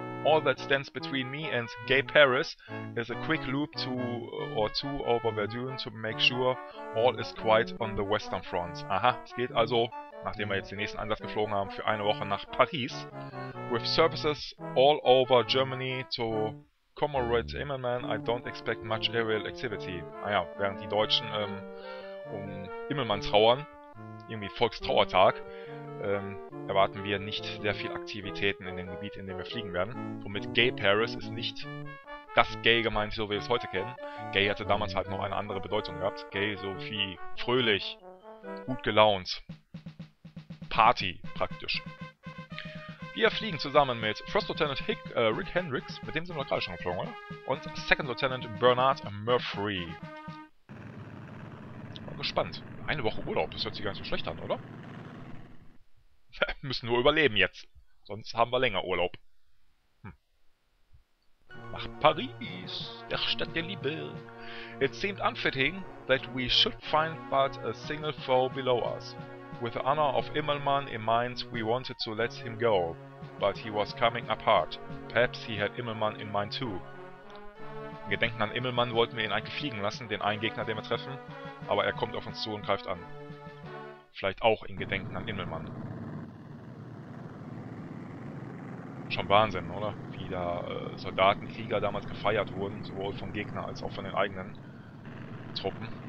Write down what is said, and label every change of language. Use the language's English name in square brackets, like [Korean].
[English] All that stands between me and Gay Paris is a quick loop two over Verdun to make sure all is quiet on the Western Front. [German] Aha, es geht also, nachdem wir jetzt den nächsten Einsatz geflogen haben, für eine Woche nach Paris. [English] With services all over Germany to Comrade Immelmann, I don't expect much aerial activity. [German] Ah ja, während die Deutschen um Immelmann trauern, irgendwie Volkstrauertag, erwarten wir nicht sehr viel Aktivitäten in dem Gebiet, in dem wir fliegen werden. Womit Gay Paris ist nicht das Gay gemeint, so wie wir es heute kennen. Gay hatte damals halt noch eine andere Bedeutung gehabt. Gay so wie fröhlich, gut gelaunt, Party praktisch. Wir fliegen zusammen mit First Lieutenant Rick Hendricks, mit dem sind wir gerade schon geflogen, oder? Und Second Lieutenant Bernard Murphy. Mal gespannt. Eine Woche Urlaub, das hört sich gar nicht so schlecht an, oder? Wir müssen nur überleben jetzt. Sonst haben wir länger Urlaub. Nach Paris, der Stadt der Liebe. [English] It seemed unfitting that we should find but a single foe below us. With the honor of Immelmann in mind, we wanted to let him go. But he was coming apart. Perhaps he had Immelmann in mind too. [German] In Gedenken an Immelmann wollten wir ihn eigentlich fliegen lassen, den einen Gegner, den wir treffen. Aber er kommt auf uns zu und greift an. Vielleicht auch in Gedenken an Immelmann. Schon Wahnsinn, oder? Wie da Soldaten, Krieger damals gefeiert wurden, sowohl vom Gegner als auch von den eigenen Truppen.